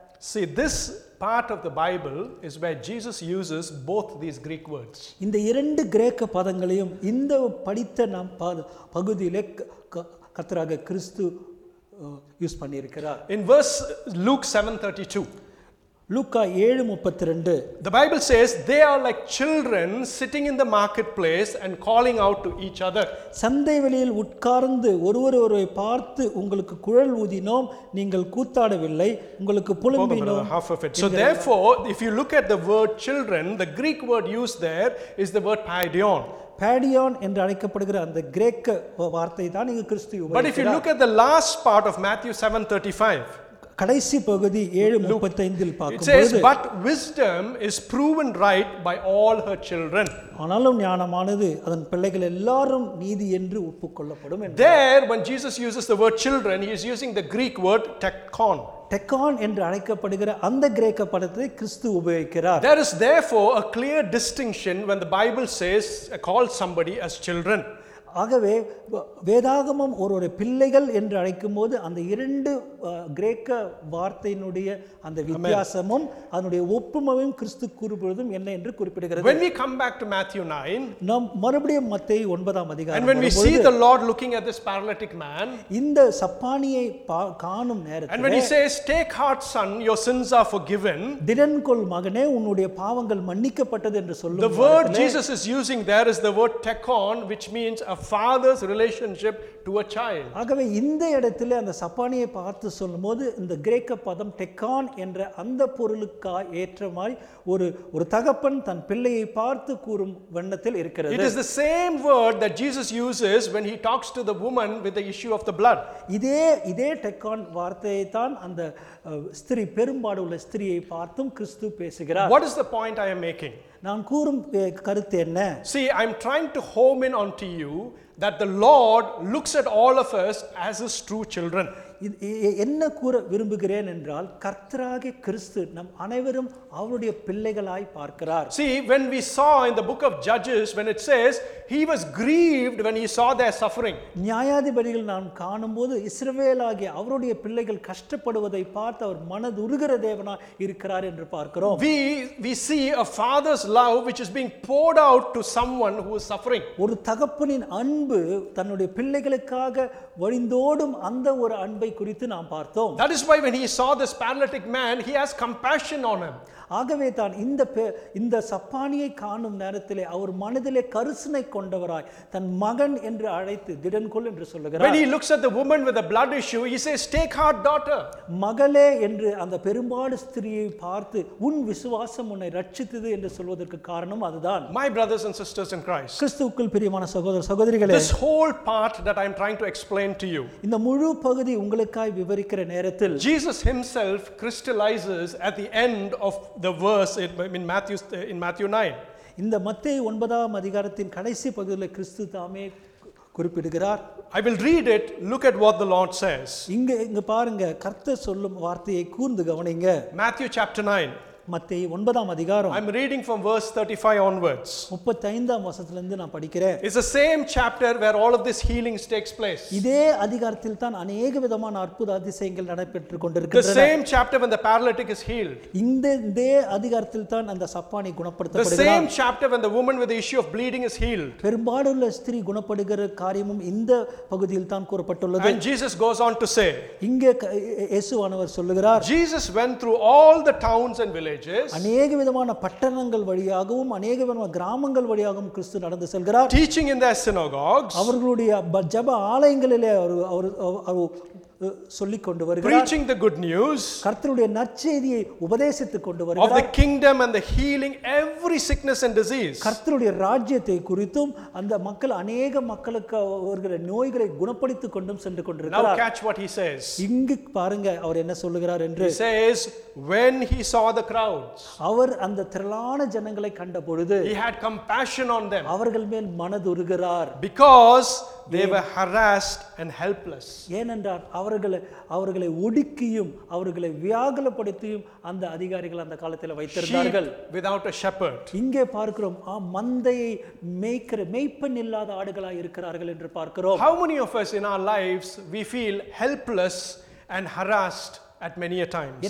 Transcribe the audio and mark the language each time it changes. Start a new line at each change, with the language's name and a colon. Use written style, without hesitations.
English: See, this part of the Bible is where Jesus uses both these Greek words.
Tamil: இந்த இரண்டு கிரேக்க பதங்களையும் இந்த படித்த நாம் பகுதியிலே கர்த்தராக கிறிஸ்து யூஸ் பண்ணியிருக்கிறார்.
English: In verse Luke 7:32.
Tamil: Luca 7:32.
English: The Bible says they are like children sitting in the marketplace and calling out to each other.
Tamil: சந்தை வெளியில் உட்கார்ந்து ஒருவரை பார்த்து உங்களுக்கு குழல் ஊதினோம், நீங்கள் கூத்தாடவில்லை, உங்களுக்கு புலம்பினோம்.
English: So therefore, if you look at the word children, the Greek word used there is the word paideion.
Tamil: Paideion என்று அழைக்கப்படுகிற அந்த கிரேக்க வார்த்தை தான் இங்கு கிறிஸ்து உபயோகிக்கிறார்.
English: But if you look at the last part of Matthew 7:35.
Tamil: கடைசி பகுதி 7:35 பார்க்கும்போது,
English: it says but wisdom is proven right by all her children.
Tamil: ஆனாலும் ஞானமானது அதன் பிள்ளைகள் எல்லாரும் நீதி என்று ஒப்புக்கொள்ளப்படும் என்று.
English: There when Jesus uses the word children, he is using the Greek word tekon.
Tamil: Tekon என்று அழைக்கப்படுகிற அந்த கிரேக்க பதத்தை கிறிஸ்து உபயோகிக்கிறார்.
English: There is therefore a clear distinction when the Bible says call somebody as children.
Tamil: ஆகவே வேதாகமம் ஒரு பிள்ளைகள் என்று அழைக்கும் போது அந்த இரண்டு கிரேக்க வார்த்தையினுடைய அந்த வித்தியாசமும் அதனுடைய ஒப்புமையும் கிறிஸ்து கூறுவதும் என்ன என்று குறிப்பிடுகிறது.
English: When we come back to Matthew 9,
Tamil: நாம் மறுபடியும் மத்தேயு 9 அதிகாரம்.
English: And when we see the Lord looking at this paralytic man,
Tamil: இந்த சப்பாணியை காணும் நேரத்தில்,
English: and when he says take heart son your sins are forgiven,
Tamil: திடன்கொள் மகனே உன்னுடைய பாவங்கள் மன்னிக்கப்பட்டது என்று சொல்லும் போது,
English: the word Jesus is using there is the word tekon, which means a father's relationship to a child.
Tamil: ஆகவே இந்த இடத்திலே அந்த சப்பாணியை பார்த்து சொல்லும்போது இந்த கிரேக்க பதம் tekon என்ற அந்த பொருளுக்கு ஏற்ற மாதிரி ஒரு தகப்பன் தன் பிள்ளையை பார்த்து கூறும் வண்ணத்தில் இருக்கிறது.
English: It is the same word that Jesus uses when he talks to the woman with the issue of the blood.
Tamil: இதே tekon வார்த்தையை தான் அந்த ஸ்திரீ பெரும்பாடு உள்ள ஸ்திரியை பார்த்தும் கிறிஸ்து பேசுகிறார்.
English: What is the point I am making?
Tamil: நான் கூறும் கருத்து என்ன?
English: See, I am trying to home in on to you that the Lord looks at all of us as his true children.
Tamil: என்ன கூற விரும்புகிறேன் என்றால் கர்த்தராகிய கிறிஸ்து நம் அனைவரும் அவருடைய பிள்ளைகளாய் பார்க்கிறார்.
English: See, when we saw in the book of Judges, when it says he was grieved when he saw their suffering.
Tamil: நியாயாதிபதிகள் நாம் காணும்போது இஸ்ரவேலாகிய அவருடைய பிள்ளைகள் கஷ்டப்படுவதை பார்த்து அவர் மனதுருகிற தேவனா இருக்கிறார் என்று பார்க்கிறோம்.
English: We see a father's love which is being poured out to someone who is suffering.
Tamil: ஒரு தகப்பனின் அன்பு தன்னுடைய பிள்ளைகளுக்காக வழிந்தோடும் அந்த ஒரு அன்பை குறித்து நாம் பார்த்தோம்.
English: That is why when he saw this paralytic man, he has compassion on him.
Tamil: ஆகவே தான் இந்த சப்பானியை காணும் நேரத்திலே அவர் மனதிலே கருசனை கொண்டவராய் தன் மகன் என்று அழைத்து திடன்கொள் என்று சொல்கிறார்.
English: When he looks at the woman with the blood issue, he says, "Take heart, daughter."
Tamil: மகளே என்று அந்த பெரும்பாடு ஸ்திரியை பார்த்து உன் விசுவாசம் உன்னை ரட்சித்தது என்று சொல்வதற்கு காரணம் அதுதான்.
English: My brothers and sisters in Christ.
Tamil: கிறிஸ்துவுக்குள் பிரியமான சகோதர சகோதரிகளே.
English: This whole part that I am trying to explain to you.
Tamil: இந்த முழு பகுதி உங்களுக்காய் விவரிக்கிற நேரத்தில்
English: Jesus himself crystallizes at the end of the verse in Matthew 9.
Tamil: இந்த மத்தேயு 9வது அதிகாரத்தின் கடைசி பகுதியில் கிறிஸ்து தாமே குறிப்பிடுகிறார்.
English: I will read it. Look at what the Lord says.
Tamil: இங்க பாருங்க, கர்த்தர் சொல்லும் வார்த்தையை கூர்ந்து கவனிங்க.
English: Matthew chapter 9.
Tamil: மத்தேயு 9வது அதிகாரம்.
English: I'm reading from verse 35 onwards.
Tamil: 35வது வசனத்திலிருந்து நான் படிக்கிறேன்.
English: It's the same chapter where all of this healing takes place.
Tamil: இதே அதிகாரத்தில் தான்
Hindi: अनेक
Tamil: விதமான அற்புத அதிசயங்கள் நடைபெற்றுக்கொண்டிருக்கின்றன.
English: The same chapter when the paralytic is healed.
Tamil: இதே அதிகாரத்தில் தான் அந்த சப்பாணி குணப்படுத்தப்படுகிறது.
English: The same chapter when the woman with the issue of bleeding is healed.
Tamil: பெரும்பாடுள்ள ஸ்திரீ குணப்படுகிற காரியமும் இந்த பகுதியில் தான் கூறப்பட்டுள்ளது.
English: And Jesus goes on to say.
Tamil: இங்கே இயேசுவானவர் சொல்கிறார்.
English: Jesus went through all the towns and villages.
Tamil: அநேக விதமான பட்டணங்கள் வழியாகவும் அநேக விதமான கிராமங்கள் வழியாகவும் கிறிஸ்து நடந்து செல்கிறார்.
English: Teaching in their synagogues.
Tamil: அவர்களுடைய ஜப ஆலயங்களிலே அவர் சொல்லிக் கொண்டு வருகிறார்.
English: Preaching the good news.
Tamil: கர்த்தருடைய நற்செய்தியை உபதேசித்துக் கொண்டு வருகிறார்.
English: Of the kingdom and the healing every sickness and disease.
Tamil: கர்த்தருடைய ராஜ்யத்தை குறித்தும் அந்த மக்கள் அநேக மக்களுக்கு வருகிற நோய்களை குணப்படுத்திக் கொண்டும் சென்று கொண்டிருக்கிறார்.
English: Now catch what he says.
Tamil: இங்கு பாருங்க அவர் என்ன சொல்கிறார் என்று.
English: He says when he saw the crowds.
Tamil: அவர் அந்த திரளான ஜனங்களை கண்டபொழுது.
English: He had compassion on them.
Tamil: அவர்கள் மேல் மனதுருகிறார்.
English: Because they were harassed and helpless.
Tamil: ஏனென்றால் அவர்களை ஒடுக்கியும் அவர்களை வியாகுலப்படுத்தியும் அந்த அதிகாரிகள் அந்த காலத்தில் வைத்திருந்தார்கள்.
English: Without a shepherd.
Tamil: இங்கே பார்க்கிறோம் மந்தையை மேய்க்கிற மேய்ப்பன் இல்லாத ஆடுகளாய் இருக்கிறார்கள் என்று பார்க்கிறோம்.
English: How many of us in our lives we feel helpless and harassed at many a times.